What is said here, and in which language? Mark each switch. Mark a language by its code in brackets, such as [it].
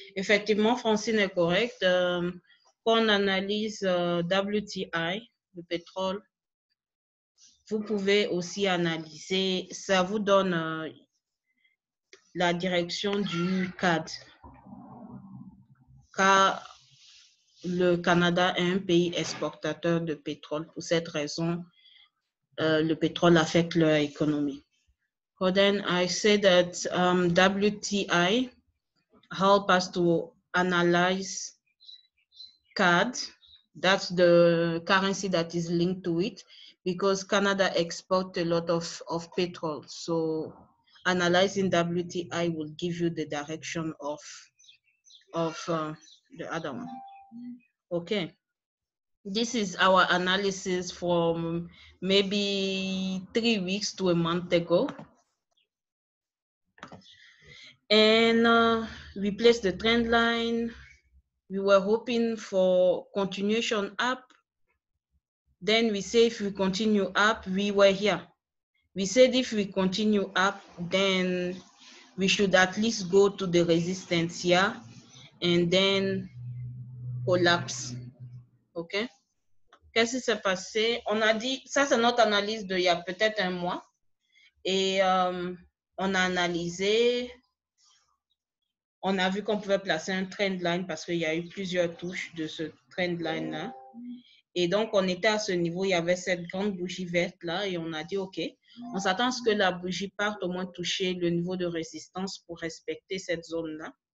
[fr] Effectivement, Francine est correcte. Quand on analyse WTI, le pétrole, vous pouvez aussi analyser, ça vous donne la direction du CAD. Car le Canada est un pays exportateur de pétrole. Pour cette raison, le pétrole affecte leur économie. [en] Then I say that WTI help us to analyze CAD, that's the currency that is linked to it, because Canada exports a lot of petrol. So analyzing WTI will give you the direction of the other one. Okay. This is our analysis from maybe 3 weeks to a month ago. And we placed the trend line. We were hoping for continuation up. Then we say if we continue up, we were here. We said if we continue up, then we should at least go to the resistance here and then collapse. [fr] OK? Qu'est-ce qui s'est passé? On a dit, ça c'est notre analyse d'il y a peut-être un mois. Et on a analysé. On a vu qu'on pouvait placer un trend line parce qu'il y a eu plusieurs touches de ce trend line-là. Et donc, on était à ce niveau, il y avait cette grande bougie verte-là et on a dit, OK, on s'attend à ce que la bougie parte au moins toucher le niveau de résistance pour respecter cette zone-là.